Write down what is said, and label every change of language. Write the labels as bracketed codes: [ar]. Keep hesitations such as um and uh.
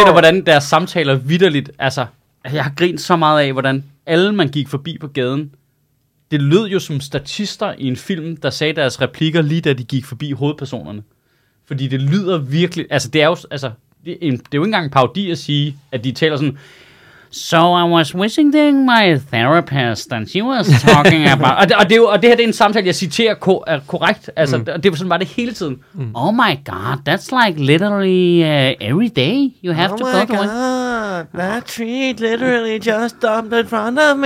[da] der, hvordan deres samtaler vidderligt, altså, jeg har grint så meget af, hvordan alle, man gik forbi på gaden, det lød jo som statister i en film, der sagde deres replikker, lige da de gik forbi hovedpersonerne. Fordi det lyder virkelig... Altså, det er jo, altså, det er jo ikke engang en parodi at sige, at de taler sådan... [en] So I was wishing visiting my therapist, and she was talking about... [da] og, det, og, det jo, og det her det er en samtale, jeg citerer ko, er korrekt. Altså, mm. Og det, og det var sådan var det hele tiden. Mm. [en] Oh my god, that's like literally uh, every day you have oh to go to... Oh my god... That tree literally just dumped in front of me.